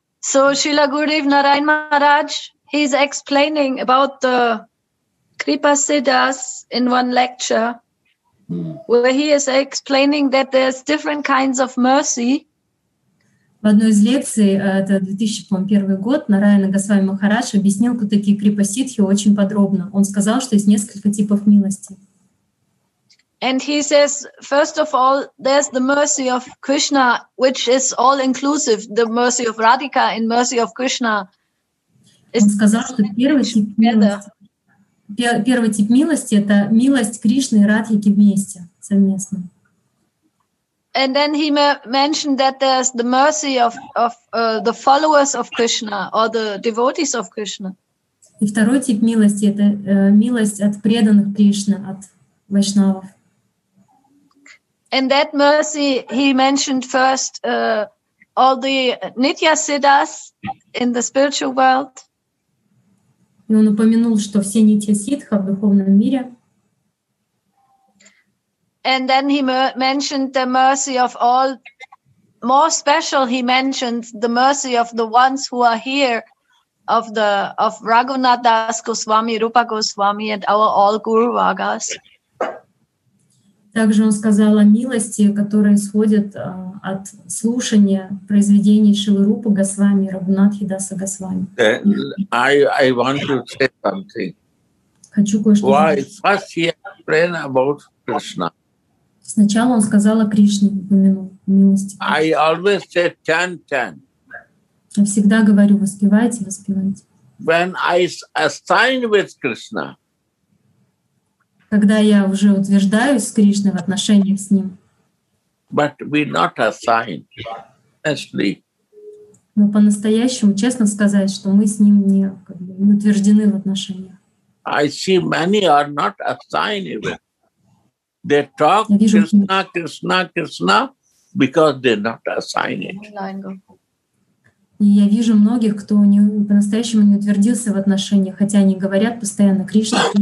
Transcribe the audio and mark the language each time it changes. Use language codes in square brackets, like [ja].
[en] So, Srila Gurudev Narayan Maharaj, he's explaining about the Kripa Siddhas in one lecture, where he is explaining that there's different kinds of mercy. [ru] В одной из лекций, это 2001 год, Нараяна Госвами Махарадж объяснил, кто такие крипа-ситхи очень подробно. Он сказал, что есть несколько типов милости. [en] And he says, first of all, there's the mercy of Krishna, which is all-inclusive, the mercy of Radhika and mercy of Krishna. [ru] Он сказал, что первый тип милости – это милость Кришны и Радхики вместе, совместно. [en] And then he mentioned that there's the mercy of the followers of Krishna or the devotees of Krishna. [ru] И второй тип милости – это милость от преданных Кришны, от вайшнавов. [en] And that mercy, he mentioned first all the nitya siddhas in the spiritual world. [ru] И он упомянул, что все нитья ситха в духовном мире. [en] And then he mentioned the mercy of all, more special, he mentioned the mercy of the ones who are here, of Raghunath Das Goswami, Rupa Goswami, and our all Guru Vagas. [ru] Также он сказал о милости, которая исходит от слушания произведений Шрилы Рупы Госвами, Рагунатхи Даса Госвами. [en] I want to say something. [ru] Хочу кое-что сказать. [en] Why first he explained about Krishna? [ru] Сначала он сказал о Кришне, упомянул милости. [en] I always say chant. [ru] Я всегда говорю, воспевайте. [en] When I assign with Krishna, [ru] когда я уже утверждаюсь с Кришной в отношениях с Ним. [en] But we not assigned, honestly. [ru] Но по-настоящему, честно сказать, что мы с Ним не утверждены в отношениях. [en] I see many are not assigned even. They talk Krishna, because they not assigned it. [ru] И я вижу многих, кто по-настоящему не утвердился в отношениях, хотя они говорят постоянно Кришна.